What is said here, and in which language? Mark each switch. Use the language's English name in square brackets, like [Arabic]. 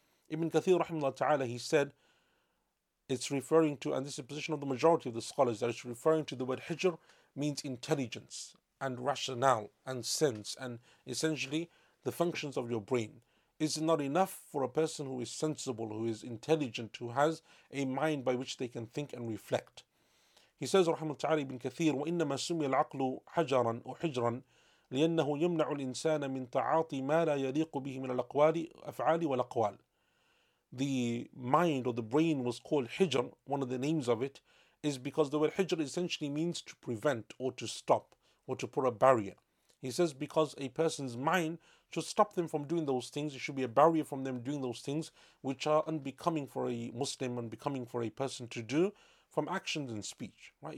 [English] Ibn Kathir rahimahullah ta'ala, he said, it's referring to, and this is the position of the majority of the scholars, that it's referring to the word hijr means intelligence and rationale and sense and essentially the functions of your brain. Is it not enough for a person who is sensible, who is intelligent, who has a mind by which they can think and reflect? He says, [Arabic] رحمه تعالى ابن كثير, وإنما سمي العقل حجرا أو حجرا لأنه يمنع الإنسان من تعاطي ما لا يليق به من الأقوال أفعال والأقوال. [English] The mind or the brain was called hijr, one of the names of it, is because the word hijr essentially means to prevent or to stop or to put a barrier. He says, because a person's mind should stop them from doing those things, it should be a barrier from them doing those things which are unbecoming for a Muslim, unbecoming for a person to do, from actions and speech, right?